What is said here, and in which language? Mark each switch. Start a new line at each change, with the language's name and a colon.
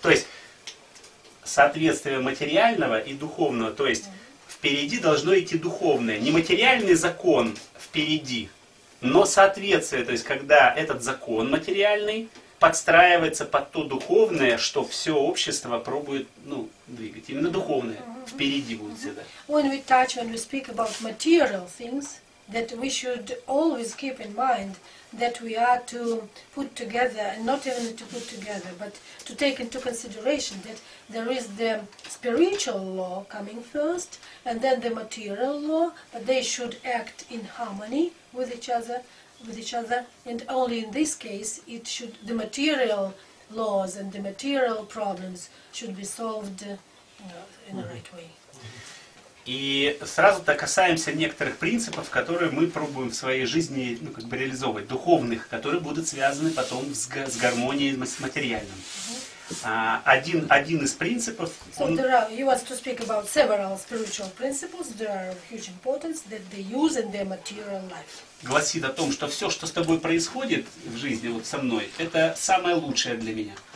Russian: То есть соответствие материального и духовного, то есть впереди должно идти духовное. Не материальный закон впереди, но соответствие, то есть когда этот закон материальный подстраивается под то духовное, что все общество пробует, ну, двигать. Именно духовное впереди будет всегда.
English: When we touch, when we speak about material things, that we should always keep in mind that we are to put together, and not even to put together, but to take into consideration that there is the spiritual law coming first, and then the material law, but they should act in harmony with each other. With each other, and only in this case, it should the material laws and the material problems should be solved in the right way.
Russian: И сразу-то касаемся некоторых принципов, которые мы пробуем в своей жизни, ну как бы реализовывать духовных, которые будут связаны потом с гармонией с материальным. Один из принципов.
English: So there are, he wants to speak about several spiritual principles that are of huge importance that they use in their material life.
Russian: Гласит о том, что все, что с тобой происходит в жизни, вот со мной, это самое лучшее для меня.